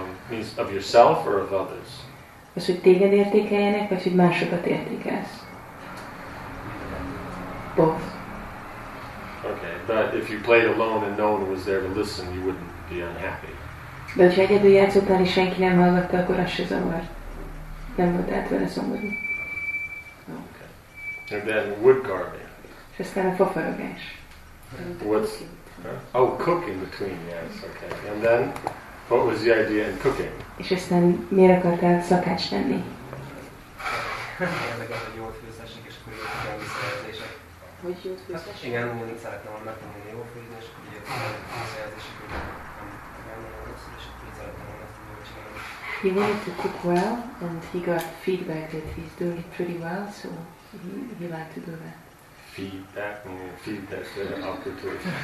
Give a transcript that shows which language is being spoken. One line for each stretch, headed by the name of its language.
English: Means of yourself or of others?
Hungarian: Az, hogy téged értékeljenek, vagy hogy másokat értékelsz?
English: Both. Okay, but if you played alone and no one was there to listen, you wouldn't be unhappy.
Hungarian: De hogyha egyedül játszottál és senki nem hallgatta, akkor az se zavar. Nem volt át vele szomorú.
English: Okay. And then wood carving.
Hungarian: És aztán a fofarogás.
English: What's... Huh? Oh, cooking between, yes, okay. And then... What was the idea in cooking?
Hungarian: És aztán miért akartál szakács lenni? Érdekel, hogy jót főzhessek, és akkor jöttek el visszajelzések. Hogy jót főzhessek? Igen, mindig szeretném megtanulni jó főzni, és akkor jöttek el visszajelzések, hogy nem nagyon rosszul, és akkor szeretném megtanulni jól csinálni.
English: He wanted to cook well, and he got feedback that he's doing it pretty well, so he liked to do that. Feedback? Feedback, so they're up to it.